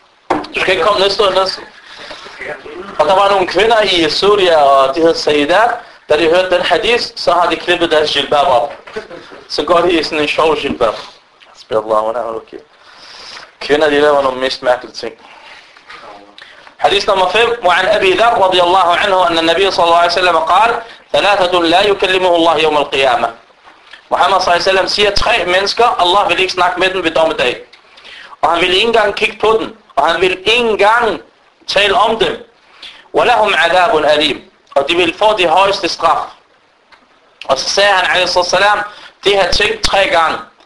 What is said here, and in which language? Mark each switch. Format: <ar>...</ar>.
<da>Du skal ikke komme næste år næste. Og der var nogle kvinder i Syria, og de hed Sayyidat. Da de hørte den hadith, så har de klippet deres jilbab op. Så går de i sådan en sjov jilbab. Spiller Allah, hvordan er okay? Kvinder, de laver nogle mest mærkelige ting. Hadith nummer 5.</da> <ar>وعن أبي ذر رضي الله عنه أن النبي صلى الله عليه وسلم قال ثلاثة لا يكلمه الله يوم القيامة.</ar> <da>Muhammad</da> <ar>صلى الله عليه وسلم</ar> <da>siger, tre mennesker, Allah vil ikke snakke med dem ved dommedag. Og han vil ikke engang kigge på dem. Og han vil ikke engang tale om dem.</da> <ar>ولهم عذاب أليم.</ar> <da>Og de vil få det højeste straf. Og så sagde han, alaihi salam, de har tænkt tre gange.</da>